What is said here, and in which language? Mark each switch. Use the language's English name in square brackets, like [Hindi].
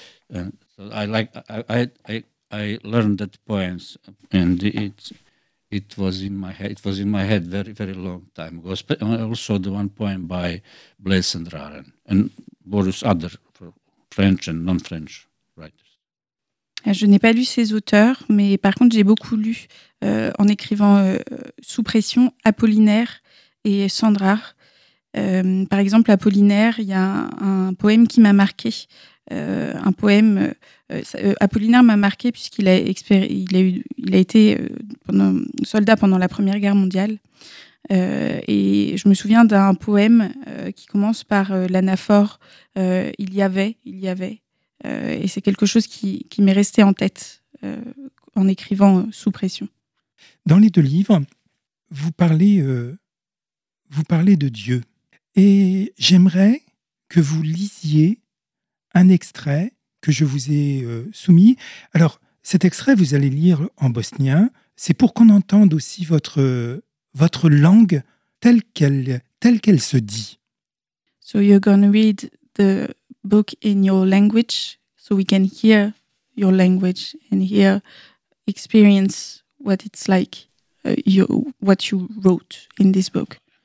[English] And so I learned that poems, and it was in my head. It was in my head very, very long time ago. Also, the one poem by Blaise Cendrars and various other French and non-French writers. [French] Je n'ai pas lu ces auteurs, mais par contre, j'ai beaucoup lu en écrivant sous pression Apollinaire et Cendrars. Par exemple, Apollinaire, il y a un poème qui m'a marqué. Un poème. Apollinaire m'a marqué puisqu'il a été soldat pendant la Première Guerre mondiale. Et je me souviens d'un poème qui commence par l'anaphore il y avait. Et c'est quelque chose qui m'est resté en tête en écrivant sous pression. Dans les deux livres, vous parlez de Dieu. Et j'aimerais que vous lisiez un extrait que je vous ai soumis. Alors, cet extrait, vous allez lire en bosnien. C'est pour qu'on entende aussi votre langue telle qu'elle se dit. [English] So you're going to read the book in your language so we can hear your language and hear, experience what it's like, what you wrote in this book.